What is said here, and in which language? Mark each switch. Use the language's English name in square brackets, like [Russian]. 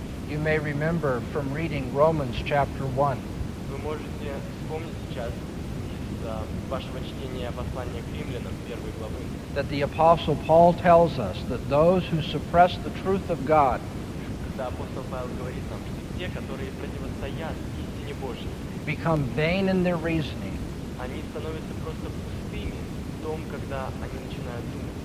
[English] You may remember from reading Romans chapter 1. [Russian] Вы можете вспомнить сейчас из вашего чтения послания к римлянам первой главы. [English] That the apostle Paul tells us that those who suppress the truth of God, [Russian] когда апостол Павел говорит нам, что те, которые противостоят истине Божьей, [English] become vain in their reasoning. [Russian] Они становятся просто пустыми в том, когда они начинают думать.